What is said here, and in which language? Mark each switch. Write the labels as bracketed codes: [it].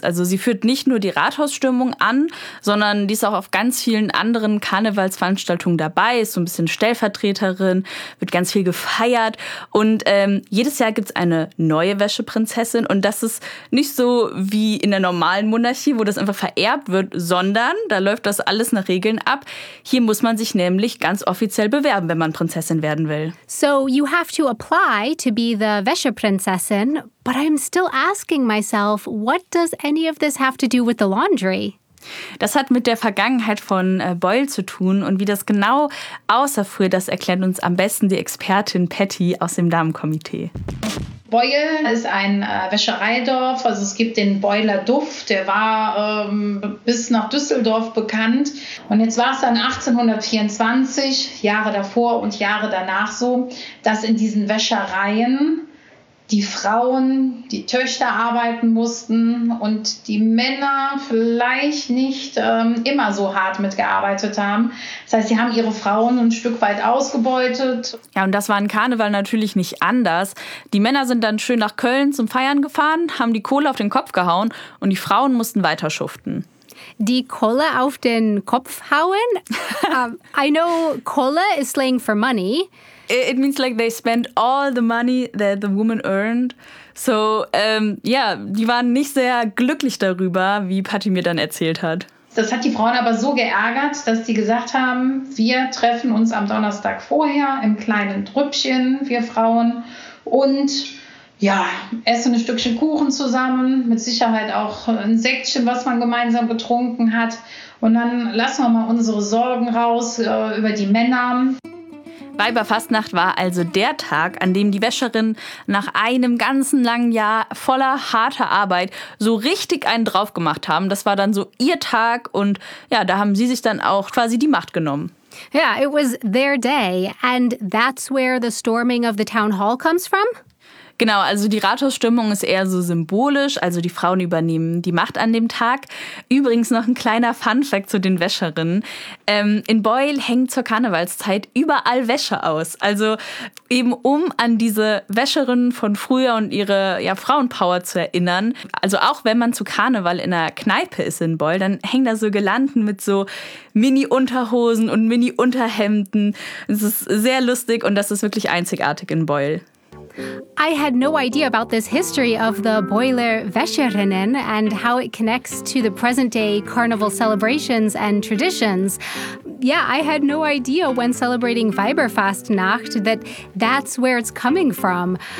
[de] Also sie führt nicht nur die Rathausstürmung an, sondern die ist auch auf ganz vielen anderen Karnevalsveranstaltungen dabei, ist so ein bisschen Stellvertreterin, wird ganz viel gefeiert. Und jedes Jahr gibt es eine neue Wäscheprinzessin. Und das ist nicht so wie in der normalen Monarchie, wo das einfach vererbt wird, sondern da läuft das alles nach Regeln ab. Hier muss man sich nämlich ganz offiziell bewerben, wenn man Prinzessin werden will. [en] So you have to apply to be the Wäscheprinzessin, but I'm still asking myself, what does any of this have to do with the laundry? [de] Das hat mit der Vergangenheit von Beul zu tun und wie das genau aussah früher, das erklärt uns am besten die Expertin Patty aus dem Damenkomitee. Beul ist ein Wäschereidorf, also es gibt den Beuler Duft, der war bis nach Düsseldorf bekannt. Und jetzt war es dann 1824, Jahre davor und Jahre danach so, dass in diesen Wäschereien die Frauen, die Töchter arbeiten mussten und die Männer vielleicht nicht immer so hart mitgearbeitet haben. Das heißt, sie haben ihre Frauen ein Stück weit ausgebeutet. Ja, und das war ein Karneval natürlich nicht anders. Die Männer sind dann schön nach Köln zum Feiern gefahren, haben die Kohle auf den Kopf gehauen und die Frauen mussten weiter schuften. Die Kohle auf den Kopf hauen? [en] I know Kohle is slang for money. It means like they spent all the money that the woman earned. [de] So, yeah, die waren nicht sehr glücklich darüber, wie Patty mir dann erzählt hat. Das hat die Frauen aber so geärgert, dass die gesagt haben, wir treffen uns am Donnerstag vorher im kleinen Trüppchen, wir Frauen, und ja, essen ein Stückchen Kuchen zusammen, mit Sicherheit auch ein Sektchen, was man gemeinsam getrunken hat. Und dann lassen wir mal unsere Sorgen raus über die Männer. Weiberfastnacht war also der Tag, an dem die Wäscherin nach einem ganzen langen Jahr voller harter Arbeit so richtig einen drauf gemacht haben. Das war dann so ihr Tag und ja, da haben sie sich dann auch quasi die Macht genommen. [en] Yeah, it was their day and that's where the storming of the town hall comes from? [de] Genau, also die Rathausstimmung ist eher so symbolisch, also die Frauen übernehmen die Macht an dem Tag. Übrigens noch ein kleiner Funfact zu den Wäscherinnen. In Beul hängt zur Karnevalszeit überall Wäsche aus. Also eben um an diese Wäscherinnen von früher und ihre ja, Frauenpower zu erinnern. Also auch wenn man zu Karneval in einer Kneipe ist in Beul, dann hängen da so Girlanden mit so Mini-Unterhosen und Mini-Unterhemden. Es ist sehr lustig und das ist wirklich einzigartig in Beul. [en] I had no idea about this history of the Beuler Wäscherinnen and how it connects to the present-day carnival celebrations and traditions. yeah, I had no idea when celebrating Weiberfastnacht that that's where it's coming from.